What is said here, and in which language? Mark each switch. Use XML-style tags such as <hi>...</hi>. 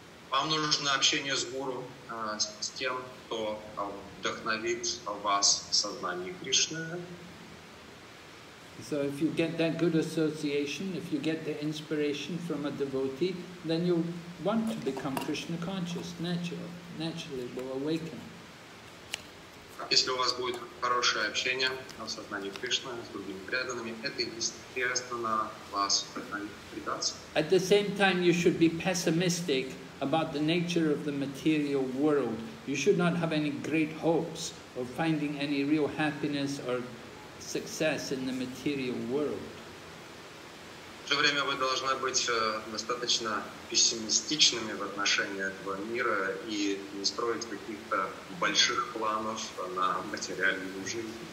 <ru>Вам нужно общение с гуру, с тем, кто вдохновит вас в сознании Кришны.</ru> <en>So if you get that good association, if you get the inspiration from a devotee, then you want to become Krishna conscious, naturally will awaken.</en> <ru>Если у вас будет хорошее общение в сознании Кришны с другими преданными, это естественно вас предаст.</ru> <en>At the same time, you should be pessimistic about the nature of the material world. You should not have any great hopes of finding any real happiness or success in the material world.</en> <ru>В то же время вы должны быть достаточно пессимистичными в отношении этого мира и не строить каких-то больших планов на материальную жизнь.</ru>